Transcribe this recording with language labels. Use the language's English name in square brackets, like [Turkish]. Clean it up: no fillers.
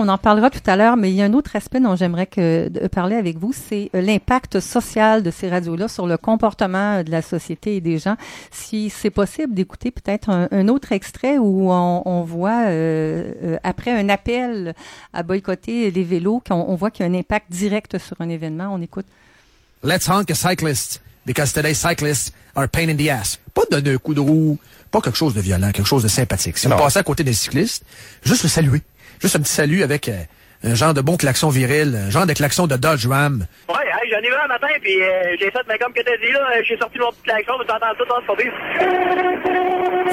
[French] On en parlera tout à l'heure, mais il y a un autre aspect dont j'aimerais parler avec vous, c'est l'impact social de ces radios-là sur le comportement de la société et des gens. Si c'est possible d'écouter peut-être un autre extrait où on voit, après un appel à boycotter les vélos, qu'on voit qu'il y a un impact direct sur un événement. On écoute. [English] Let's honk a cyclist. Because today cyclists are a pain in the ass. [French] Pas donner un coup de roue, pas quelque chose de violent, quelque chose de sympathique. Si on passait à côté des cyclistes, juste le saluer. Juste un petit salut avec un genre de bon klaxon viril, un genre de klaxon de Dodge Ram. Ouais, hey, j'en ai vu un matin, puis j'ai fait, mais comme que t'as dit là, j'ai sorti mon petit klaxon, mais t'entends tout en ce moment.